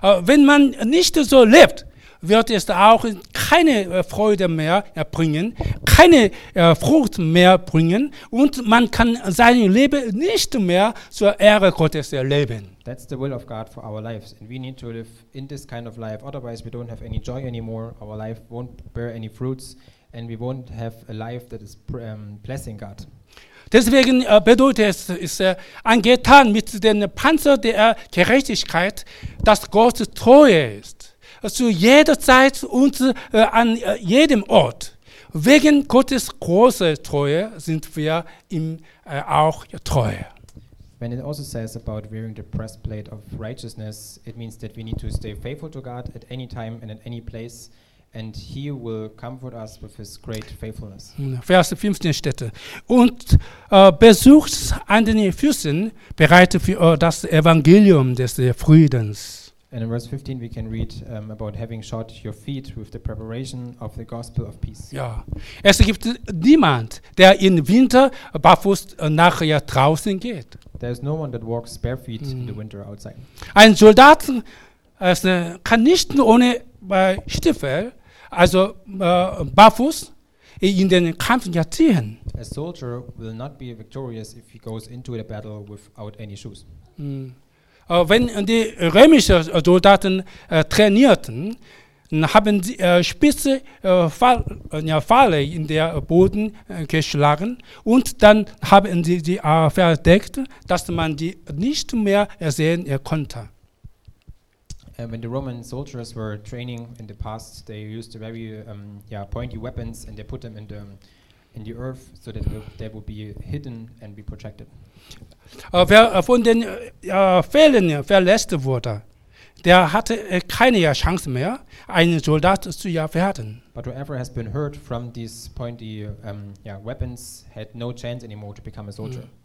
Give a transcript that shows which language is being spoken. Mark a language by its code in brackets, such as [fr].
[de] Wenn man nicht so lebt, wird es auch keine Freude mehr bringen, keine Frucht mehr bringen und man kann sein Leben nicht mehr zur Ehre Gottes leben. [en] That's the will of God for our lives. And we need to live in this kind of life, otherwise we don't have any joy anymore, our life won't bear any fruits and we won't have a life that is blessing God. [de] Deswegen bedeutet es, ist angetan mit dem Panzer der Gerechtigkeit, dass Gott treu ist. Zu jeder Zeit und an jedem Ort. Wegen Gottes großer Treue sind wir ihm auch treu. [en] When it also says about wearing the breastplate of righteousness, it means that we need to stay faithful to God at any time and at any place, and he will comfort us with his great faithfulness. [de] Vers 15 steht, und besucht an den Füßen, bereitet für das Evangelium des Friedens. [en] And in verse 15 we can read about having shod your feet with the preparation of the gospel of peace. [de] Ja. Es gibt niemand, der im Winter barfuß nachher draußen geht. [en] There is no one that walks barefoot in the winter outside. [de] Ein Soldat kann nicht ohne Stiefel, also barfuß, in den Kampf gehen. [en] A soldier will not be victorious if he goes into the battle without any shoes. [de] Wenn die römischen Soldaten trainierten, haben sie spitze Pfeile in den Boden geschlagen und dann haben sie die verdeckt, dass man die nicht mehr sehen konnte. [en] When the Roman soldiers were training in the past, they used very pointy weapons and they put them in the earth, so that they would be hidden and be protected. [de] Wer von den Fällen verletzt wurde, der hatte keine Chance mehr, einen Soldat zu werden. [en] But whoever has been hurt from these pointy weapons had no chance anymore to become a soldier.